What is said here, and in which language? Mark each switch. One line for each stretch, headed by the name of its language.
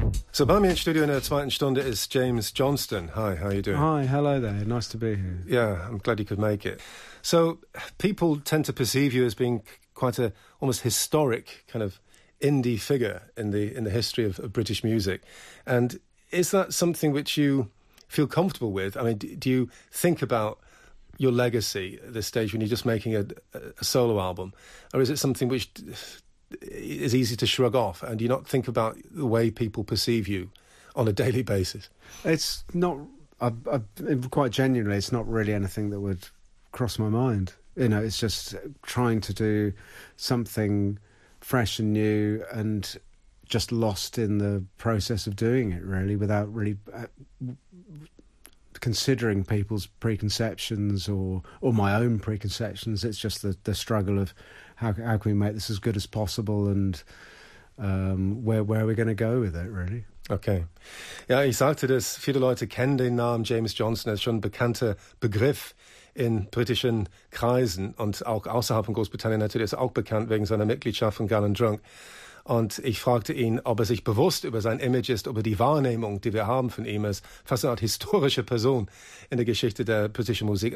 German: So bei mir im Studio in der zweiten Stunde ist James Johnston.
English: Hi, how are you doing? Hi, hello there. Nice to be here. Yeah, I'm glad you could make it. So people tend to perceive you as being quite a almost historic kind of indie figure in the history of British music. And is that something which you feel comfortable with? I mean, do you think about your legacy at this stage when you're just making a solo album? Or is it something which is easy to shrug off, and do you not think about the way people perceive you on a daily basis? It's not... quite genuinely, it's not really anything that would cross my mind. You know, it's just trying to do something fresh and new and just lost in the process of doing it, really, without really considering people's preconceptions or my own preconceptions. It's just the struggle of how can we make this as good as possible, and where are we going to go with it, really? Okay.
German: Ja, ich sagte, dass viele Leute kennen den Namen James Johnston. Er ist schon ein bekannter Begriff in britischen Kreisen und auch außerhalb von Großbritannien natürlich. Ist auch bekannt wegen seiner Mitgliedschaft von Gallen Drunk. Und ich fragte ihn, ob er sich bewusst über sein Image ist, über die Wahrnehmung, die wir haben von ihm, als fast eine Art historische Person in der Geschichte der britischen Musik.